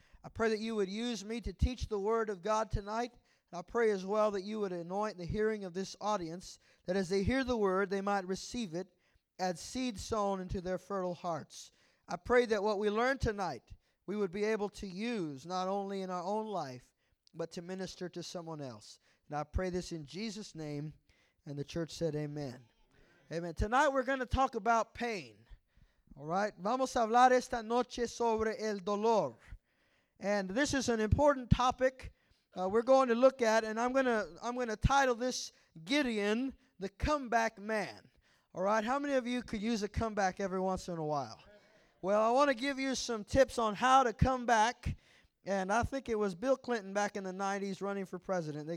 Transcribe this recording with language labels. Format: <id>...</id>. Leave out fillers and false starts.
<en>I pray that you would use me to teach the word of God tonight. I pray as well that you would anoint the hearing of this audience, that as they hear the word, they might receive it as seed sown into their fertile hearts. I pray that what we learn tonight, we would be able to use not only in our own life, but to minister to someone else. And I pray this in Jesus' name, and the church said amen. Amen. Tonight we're going to talk about pain. All right?</en> <es>Vamos a hablar esta noche sobre el dolor.</es> <en>And this is an important topic we're going to look at, and I'm gonna title this Gideon, the Comeback Man. All right, how many of you could use a comeback every once in a while? Well, I want to give you some tips on how to come back, and I think it was Bill Clinton back in the 90s running for president.</en>